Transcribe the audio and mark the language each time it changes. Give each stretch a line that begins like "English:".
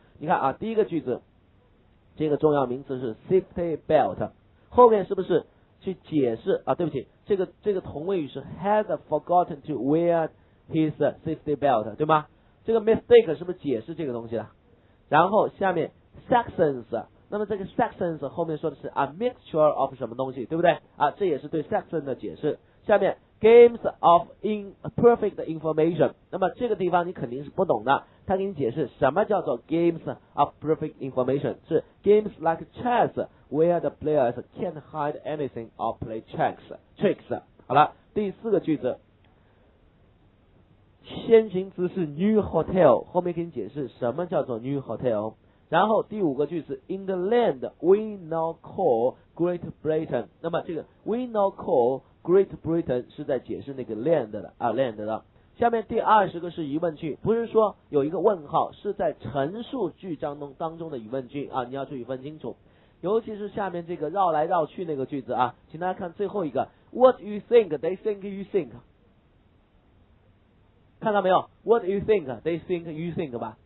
Chinese: 你看啊，第一个句子这个重要名词是 safety belt， 后面是不是去解释啊，对不起，这个同位语是
English: has forgotten to wear his safety belt，
Chinese: 对吗？这个 mistake 是不是解释这个东西的？然后下面 sections， 那么这个 sections 后面说的是
English: a mixture of
Chinese: 什么东西，对不对啊？这也是对 section 的解释。下面
English: Games of imperfect information，
Chinese: 那么这个地方你肯定是不懂的，他给你解释什么叫做
English: games of perfect information，
Chinese: 是
English: games like chess where the players can't hide anything or play tricks。
Chinese: 好了，第四个句子，先行词是 new hotel， 后面给你解释什么叫做 new hotel。然后第五个句子，
English: in the land we now call Great Britain，
Chinese: 那么这个
English: we now callGreat Britain
Chinese: 是在解释那个 land 的啊 ，land 的。下面第二十个是疑问句，不是说有一个问号，是在陈述句当中的疑问句啊，你要注意分清楚。尤其是下面这个绕来绕去那个句子啊，请大家看最后一个 ，
English: What you think they think you think，
Chinese: 看到没有 ？What you think they think you think 吧？